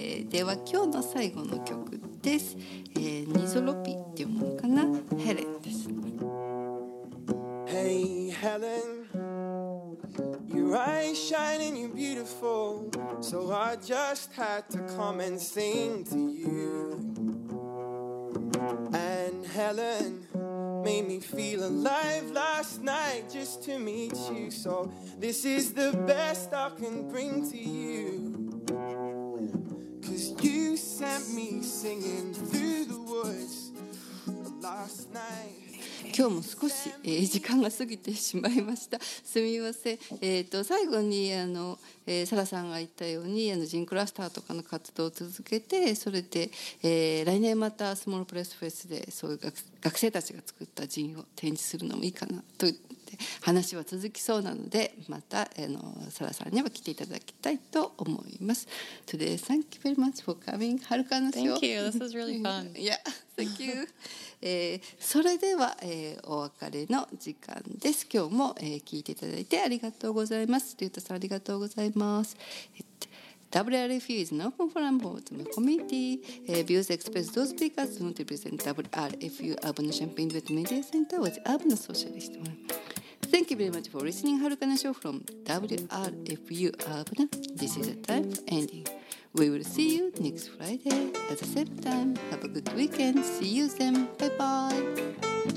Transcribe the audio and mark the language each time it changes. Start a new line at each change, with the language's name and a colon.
Japanese: では今日の最後の曲です。ニゾロピっていうものかな、ヘレン。
English: Hey Helen, your eyes shine and you're beautiful, so I just had to come and sing to you. And Helen made me feel alive last night just to meet you, so this is the best I can bring to you. Cause you sent me singing through the woods last night.
Japanese: 今日も少し、時間が過ぎてしまいました。すみません。最後にサラさんが言ったようにジンクラスターとかの活動を続けて、それで、来年またスモールプレスフェスでそういう 学生たちが作ったジンを展示するのもいいかなと言って話は続きそうなので、またサラさんには来ていただきたいと思います。
English: Today, thank you very much for coming. はるかの塩。Thank you, this was really fun. Yeah, thank you.
Japanese: それでは、お別れの時間です。今日も、聞いていただいてありがとうございます。リュウタさん、ありがとうございます。
English: WRFU is an open forum for the community. Views expressed those speakers do not represent WRFU Urban Champaign Duet Media Center or the Urban Socialist Movement. Thank you very much for listening. Haruka no show from WRFU Urban. This is a time for ending. We will see you next Friday at the same time. Have a good weekend. See you then. Bye-bye.